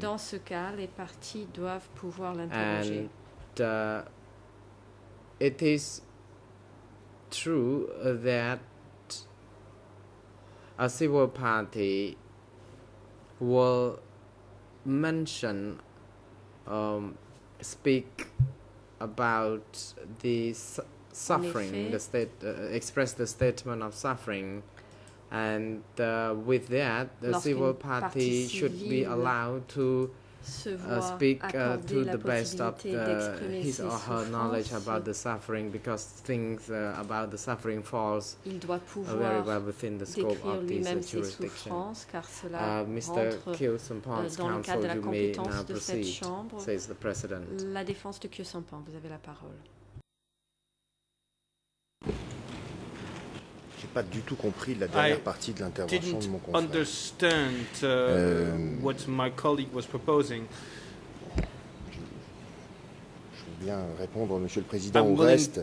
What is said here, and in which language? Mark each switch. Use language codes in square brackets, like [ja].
[fr] Dans ce cas, les parties doivent pouvoir l'interroger. [en] And it is true that a civil party will mention, speak about the suffering, expressed the statement of suffering, and with that, the civil party should be allowed to speak to the best of his or her knowledge about the suffering, because things about the suffering falls very well within the scope of this jurisdiction. Mr. Kyo Sampan's counsel, you may now proceed, says the president. [fr] La défense de Kyo Sampan, vous avez la parole. J'ai pas du tout compris la dernière partie de l'intervention de mon confrère. [en] I didn't understand what my colleague was proposing. [fr] Je veux bien répondre, Monsieur le Président, au reste.